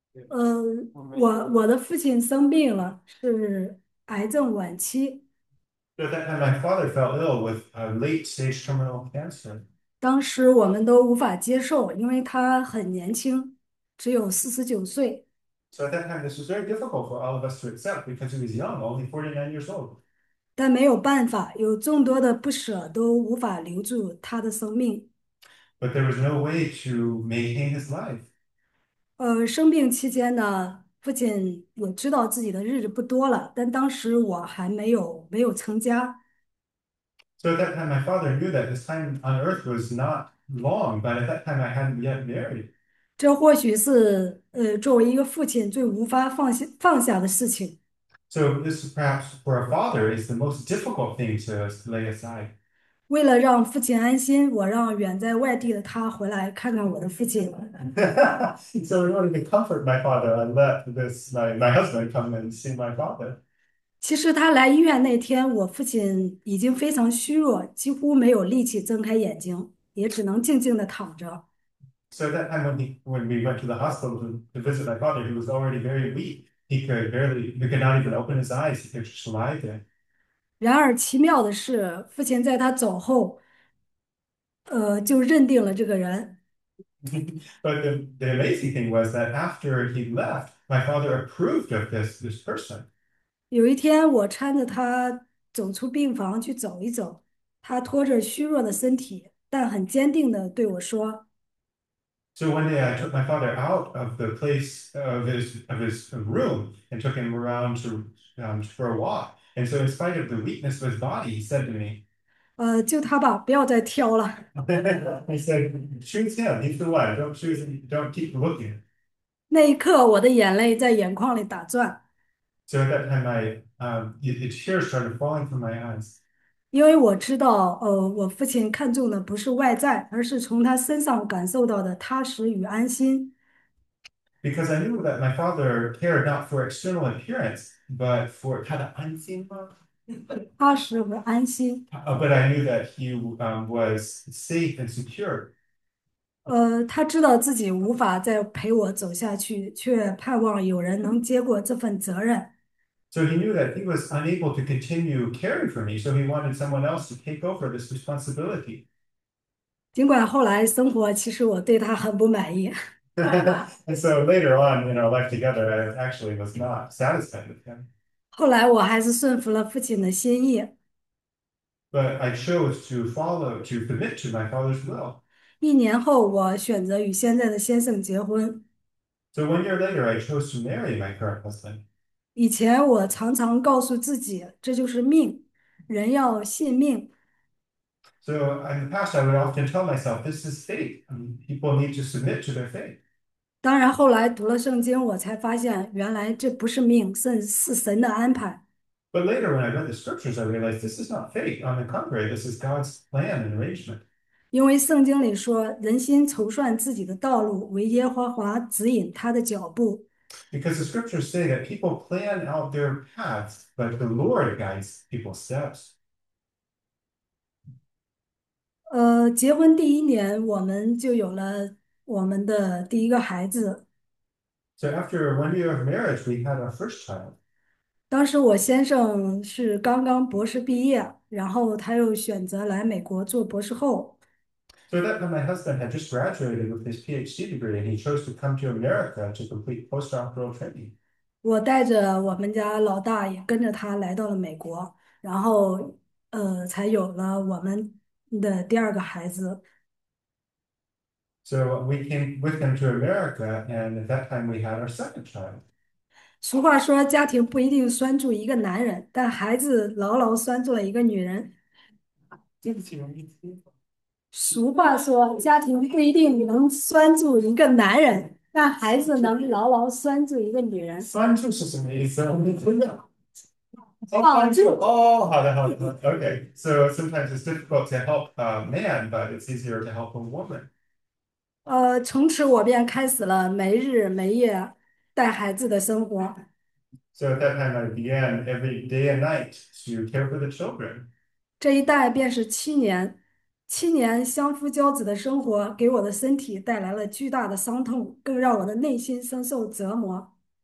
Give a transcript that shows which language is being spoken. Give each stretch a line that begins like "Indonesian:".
Chinese: 我的父亲生病了，是癌症晚期。
English: So at that time, my father fell ill with a late stage terminal cancer.
Chinese: 当时我们都无法接受，因为他很年轻，只有49岁。
English: So at that time, this was very difficult for all of us to accept because he was young, only 49 years old.
Chinese: 但没有办法，有众多的不舍，都无法留住他的生命。
English: But there was no way to maintain his life.
Chinese: 生病期间呢，父亲我知道自己的日子不多了，但当时我还没有成家。
English: So at that time, my father knew that his time on earth was not long, but at that time, I hadn't yet married.
Chinese: 这或许是作为一个父亲最无法放下的事情。
English: So this perhaps for a father is the most difficult thing to lay aside.
Chinese: 为了让父亲安心，我让远在外地的他回来看看我的父亲。
English: So in order to comfort my father, I let this my husband come and see my father.
Chinese: 其实他来医院那天，我父亲已经非常虚弱，几乎没有力气睁开眼睛，也只能静静地躺着。
English: So at that time when we went to the hospital to visit my father, he was already very weak. He could not even open his eyes. He could just lie there.
Chinese: 然而奇妙的是，父亲在他走后，就认定了这个人。
English: But the amazing thing was that after he left, my father approved of this person.
Chinese: 有一天，我搀着他走出病房去走一走，他拖着虚弱的身体，但很坚定地对我说
English: So one day I took my father out of the place of his room and took him around for a walk. And so in spite of the weakness of his body, he said to me,
Chinese: ”，就他吧，不要再挑了。
English: he said, choose him, he's the one. Don't keep looking.
Chinese: 那一刻，我的眼泪在眼眶里打转。
English: So at that time the tears started falling from my eyes.
Chinese: 因为我知道，我父亲看重的不是外在，而是从他身上感受到的踏实与安心。
English: Because I knew that my father cared not for external appearance, but for
Chinese: 他的安心吗？踏实和安心。
English: But I knew that he was safe and secure.
Chinese: 他知道自己无法再陪我走下去，却盼望有人能接过这份责任。
English: So he knew that he was unable to continue caring for me, so he wanted someone else to take over this responsibility.
Chinese: 尽管后来生活，其实我对他很不满意。
English: And so later on in our life together, I actually was not satisfied with him.
Chinese: 后来我还是顺服了父亲的心意。
English: But I chose to follow, to commit to my father's will.
Chinese: 一年后，我选择与现在的先生结婚。
English: So 1 year later, I chose to marry my current husband.
Chinese: 以前我常常告诉自己，这就是命，人要信命。
English: So in the past, I would often tell myself, this is fate. People need to submit to their fate.
Chinese: 当然，后来读了圣经，我才发现原来这不是命，是神的安排。
English: But later, when I read the scriptures, I realized this is not fate. On the contrary, this is God's plan and arrangement.
Chinese: 因为圣经里说，人心筹算自己的道路，唯耶和华指引他的脚步。
English: Because the scriptures say that people plan out their paths, but the Lord guides people's steps.
Chinese: 结婚第一年，我们就有了我们的第一个孩子。
English: So after 1 year of marriage, we had our first child.
Chinese: 当时我先生是刚刚博士毕业，然后他又选择来美国做博士后。
English: So at that time, my husband had just graduated with his PhD degree, and he chose to come to America to complete postdoctoral training.
Chinese: 我带着我们家老大也跟着他来到了美国，然后，才有了我们的第二个孩子。
English: So we came with him to America, and at that time we had our second child.
Chinese: 俗话说，家庭不一定拴住一个男人，但孩子牢牢拴住了一个女人。对不起，我没听懂。俗话说，家庭不一定能拴住一个男人，但孩子能牢牢拴住一个女人。拴住是什么意思？我没听懂。绑拴住住。哦，好的，好的，OK。
English: So sometimes it's difficult to help a man, but it's easier to help a woman.
Chinese: 从此我便开始了没日没夜带孩子的生活。
English: So at that time, I began every day and night to care for the children.
Chinese: 这一带便是7年，7年相夫教子的生活，给我的身体带来了巨大的伤痛，更让我的内心深受折磨。